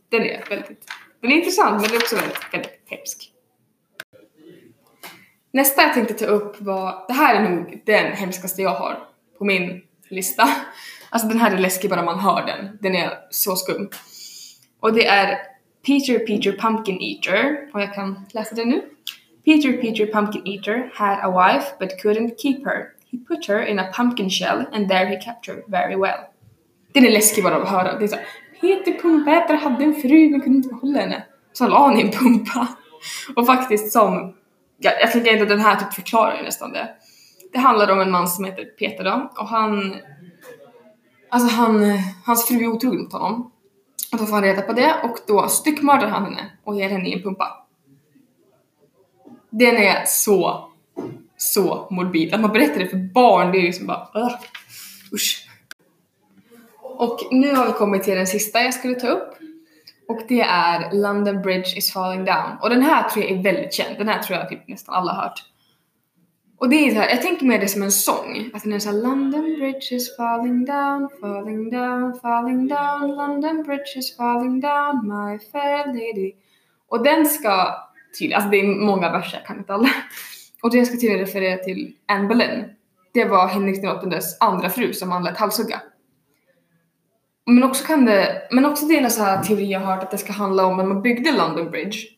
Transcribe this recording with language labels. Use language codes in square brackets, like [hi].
[sv] Den är intressant, men det är också väldigt, väldigt hemsk. Nästa jag tänkte ta upp var, det här är nog den hemskaste jag har på min lista. Alltså den här är läskig bara man hör den. Den är så skum. Och det är Peter Peter Pumpkin Eater. Och jag kan läsa det nu. [en] Peter Peter Pumpkin Eater had a wife but couldn't keep her. He put her in a pumpkin shell and there he kept her very well. [sv] Den är läskig bara att höra. Det är så, Peter Pumpäter hade en fru men kunde inte hålla henne. Så la han i en pumpa. Och faktiskt som... Jag tänker inte att den här typ förklarar ju nästan det. Det handlar om en man som heter Peter då. Och han... Alltså han... Hans fru är otrogen mot honom. Och då får han reda på det. Och då styckmördar han henne. Och ger henne i en pumpa. Den är så, så morbid. Att man berättar det för barn, det är ju liksom bara, usch. Och nu har vi kommit till den sista jag skulle ta upp. Och det är London Bridge is Falling Down. Och den här tror jag är väldigt känd. Den här tror jag typ nästan alla har hört. Och det är så här, jag tänker mer det som en sång. Att den är så här, [en] London Bridge is falling down, falling down, falling down. London Bridge is falling down, my fair lady. [sv] Och den ska till, alltså det är många verser, kan inte alla. Och den ska till och referera till Anne Boleyn. Det var Henrik den åttondes andra fru som han lät halshugga. Men också kan det, men också det är en så här teori jag hört att det ska handla om när man byggde London Bridge.